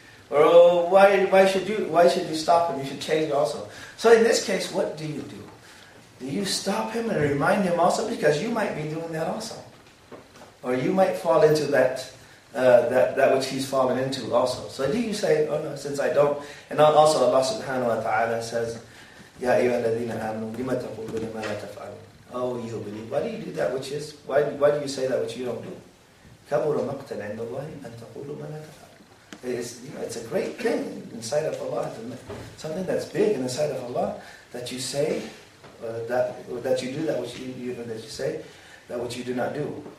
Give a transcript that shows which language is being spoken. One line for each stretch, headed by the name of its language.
English: Or why should you stop him? You should change also. So in this case, what do you do? Do you stop him and remind him also? Because you might be doing that also. Or you might fall into that that which he's fallen into also. So do you say, oh no, since I don't. And also Allah subhanahu wa ta'ala says,
Arabic: يَا أَيُّهَا الَّذِينَ آمَنُوا لِمَ تَقُولُونَ مَا لَا تَفْعَلُونَ.
English: Oh, you believe. Why do you do that which is? Why do you say that which you don't do?
Arabic: كَبُرَ مَقْتَ عِنْدَ اللَّهِ مَا تَقُولُوا مَا لَا تَفْعَلُونَ.
English: It's, you know, it's a great thing inside of Allah. Something that's big inside of Allah that you say, that you do that which you say, that which you do not do.